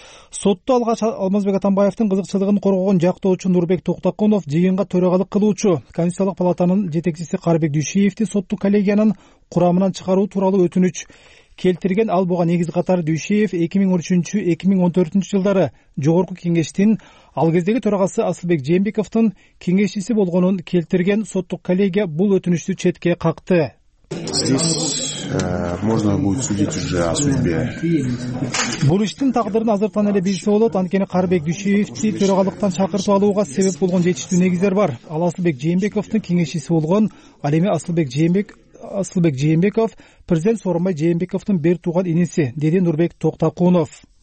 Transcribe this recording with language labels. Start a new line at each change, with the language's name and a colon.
Kyrgyz: Сотто алгач Алмазбек Атамбаевдин кызыкчылыгын коргогон жактоочу Нурбек Токтоконов жыйынга төрагалык кылуучу Конституциялык палатанын жетекчиси Карбек Дүйшиевди соттук коллегиянын курамынан чыгаруу тууралуу өтүнүч келтирген. Ал буга негиз катары Дүйшиев 2013-2014 жылдары Жогорку кеңештин ал кездеги төрагасы Асылбек Жээнбековдун кеңешчиси болгонун келтирген. Соттук коллегия бул өтүнүчтү четке какты.
Russian: Можно будет судить уже о судьбе.
Kyrgyz: Бул иштин тагдырын азыртан эле билсе болот, анткени Карбек Дүйшиевди төрагалыктан чакыртып алууга себеп болгон жетиштүү негиздер бар. Ал Асылбек Жээнбековдун кеңешчиси болгон, ал эми Асылбек Жээнбеков президент Сооронбай Жээнбековдун бир тууган иниси, деди Нурбек Токтокунов.